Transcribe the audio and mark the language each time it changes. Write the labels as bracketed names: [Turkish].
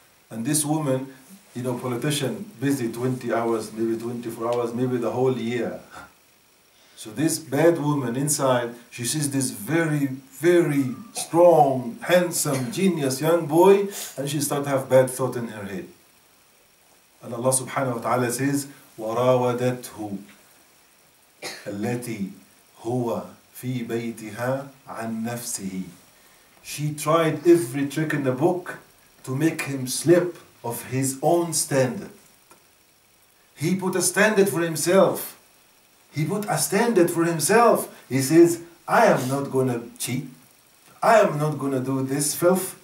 [English] And this woman, you know, politician, busy 20 hours, maybe 24 hours, maybe the whole year. So this bad woman inside, she sees this very, very strong, handsome, genius young boy, and she starts to have bad thought in her head. And Allah subhanahu wa ta'ala says, [Arabic] وَرَاوَدَتْهُ الَّتِي هُوَ فِي بَيْتِهَا عَن نَفْسِهِ. [English] She tried every trick in the book to make him slip of his own standard. He put a standard for himself. He put a standard for himself. He says, I am not going to cheat. I am not going to do this filth.